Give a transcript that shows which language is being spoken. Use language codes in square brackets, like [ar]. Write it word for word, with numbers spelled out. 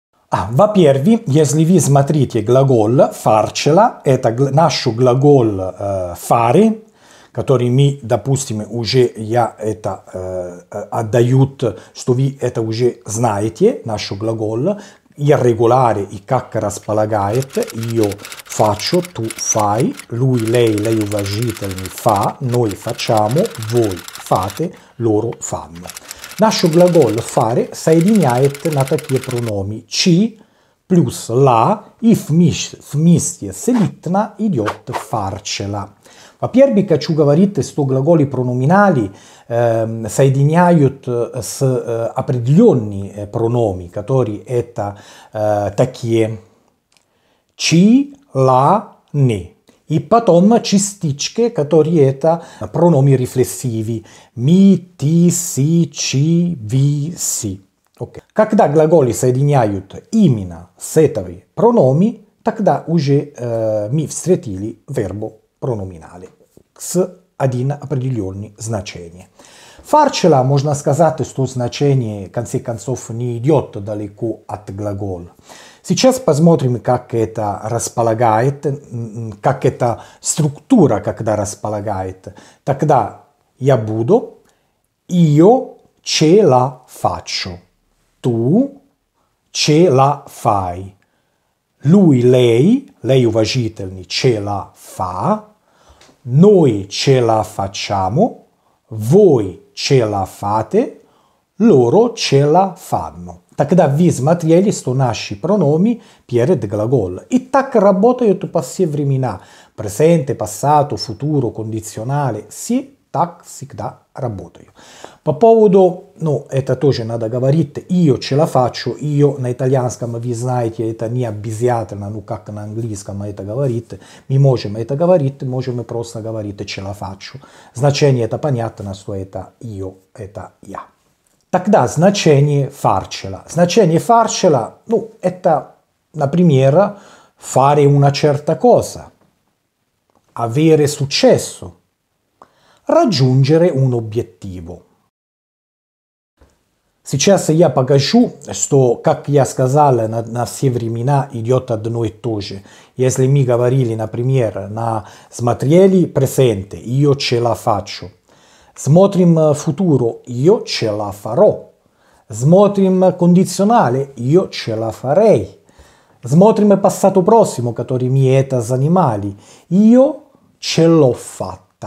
[ru] А, во-первых, если вы смотрите глагол farcela, это наш глагол э, fare, который мы, допустим, уже я это э, отдают, что вы это уже знаете, наш глагол. [it] Irregolare [ru] и как располагает, [it] io faccio, tu fai, lui, lei, lei [ru] уважительный [it] fa, noi facciamo, voi fate, loro fanno. [ru] Наш глагол fare соединяет на такие прономи ci плюс la и вместе с литна идет farcela. Во-первых, хочу говорить, что глаголи прономинали э, соединяют с э, определенными прономи, которые это э, такие «чи», «ла», «не». И потом частички, которые это прономи рефлексиви «ми», «ти», «си», «чи», «ви», «си». [en] Okay. [ru] Когда глаголи соединяют именно с этими прономи, тогда уже э, мы встретили вербо прономинали с один определенный значение. Farcela, можно сказать, что значение, в конце концов, не идет далеко от глагола. Сейчас посмотрим, как это располагает, как эта структура, когда располагает. Тогда я буду, [it] io ce la faccio, tu ce la fai, lui, lei, lei [ru] уважительный, [it] ce la fa, noi ce la facciamo, voi ce la fate, loro ce la fanno. [ru] Тогда вы смотрели, что наши прономи перед глаголом. И так работают по все времена. [it] Presente, passato, futuro, condizionale. [ru] Все так всегда работают. По поводу, ну, это тоже надо говорить, [it] io ce la faccio, [ru] io на итальянском, вы знаете, это не обязательно, ну, как на английском это говорит, мы можем это говорить, можем просто говорить [it] ce la faccio. [ru] Значение это понятно, что это io, это я. Тогда значение farcela. Значение [it] farcela, [ru] ну, это, например, [it] fare una certa cosa, avere successo, raggiungere un obiettivo. [ru] Сейчас я покажу, что, как я сказал, на, на все времена идет одно и то же. Если мы говорили, например, на смотрели presente, [it] io ce la faccio. [ru] Смотрим [it] futuro, io ce la farò. Смотрим condizionale, io ce la farei. [ru] Смотрим [it] passato prossimo, [ru] который мы это занимали, [it] io ce l'ho fatta.